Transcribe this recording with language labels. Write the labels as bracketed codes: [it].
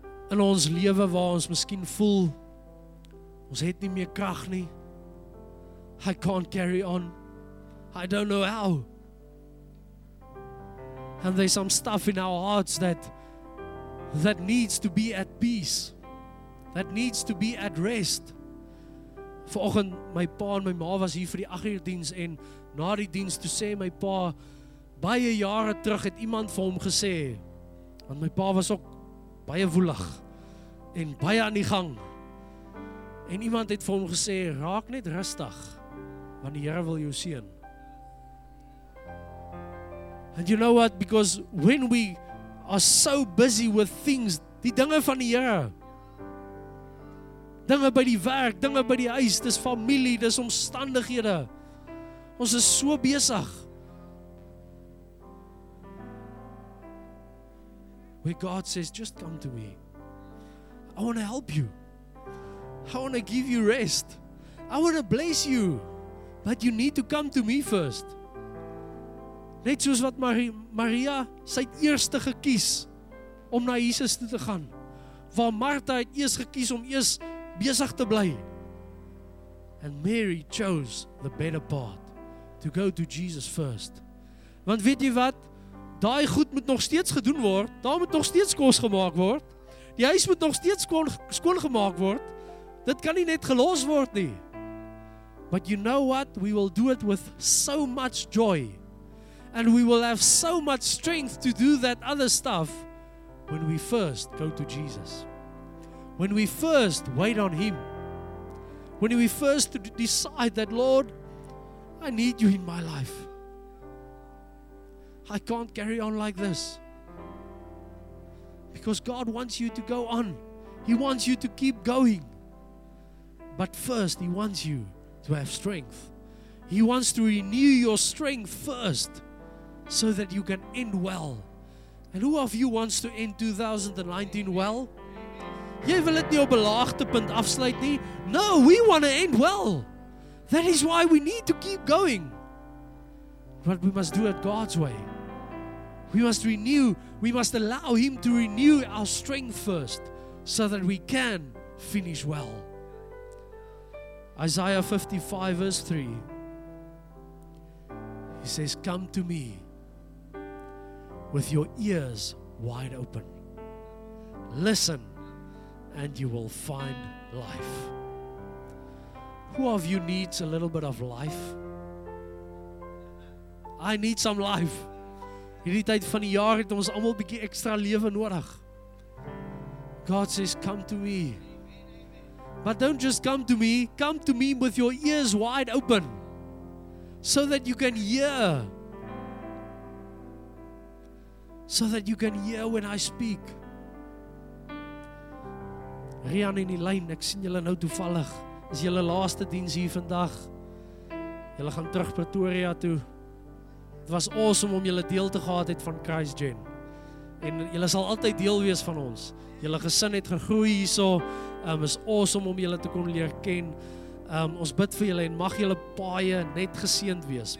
[af] In ons lewe waar ons miskien voel, ons het nie meer krag nie. [en] I can't carry on. I don't know how. And there's some stuff in our hearts that needs to be at peace. That needs to be at rest. [af] Vanoggend, my pa en my ma was hier vir die 8 uur diens en na die diens toe sê my pa, baie jare terug het iemand vir hom gesê, want my pa was ook baie woelig en baie aan die gang. En iemand het vir hom gesê, raak net rustig, want die Here wil jou seën. [en] And you know what? Because when we are so busy with things, [af] die dinge van die Here, dinge by die werk, dinge by die huis, dis familie, dis omstandighede, ons is so besig. [en] Where God says, just come to me. I want to help you. I want to give you rest. I want to bless you. But you need to come to me first. [af] Net soos wat Maria, sy het eerste gekies om na Jesus toe te gaan. Waar Martha het eers gekies om eers besig te bly. [en] And Mary chose the better part, to go to Jesus first. [af] Want weet jy wat? Daai goed moet nog steeds gedoen word. Daar moet nog steeds kos gemaak word. Die huis moet nog steeds skoon gemaak word. Dit kan nie net gelos word nie. [en] But you know what? We will do it with so much joy. And we will have so much strength to do that other stuff when we first go to Jesus. When we first wait on Him. When we first decide that, Lord, I need you in my life. I can't carry on like this. Because God wants you to go on. He wants you to keep going. But first, He wants you to have strength. He wants to renew your strength first, so that you can end well. And who of you wants to end 2019 well? [af] Jy wil dit nie op 'n laagte punt afsluit nie. [en] No, we want to end well. That is why we need to keep going. But we must do it God's way. We must renew, we must allow Him to renew our strength first, so that we can finish well. Isaiah 55 verse 3. He says, come to me with your ears wide open. Listen, and you will find life. Who of you needs a little bit of life? I need some life. [af] Hierdie tyd van die jaar het ons almal 'n bietjie ekstra lewe nodig. [en] God says, come to me. But don't just come to me. Come to me with your ears wide open, so that you can hear. So that you can hear when I speak. [af] Rian en Elaine, ek sien julle nou toevallig. Is julle laaste diens hier vandag. Julle gaan terug Pretoria toe. Het was awesome om julle deel te gehad het van Christ Gen. En julle sal altyd deel wees van ons. Julle gesin het gegroei hierso. Is awesome om julle te kon leer ken. Ons bid vir julle en mag julle paaie net geseend wees.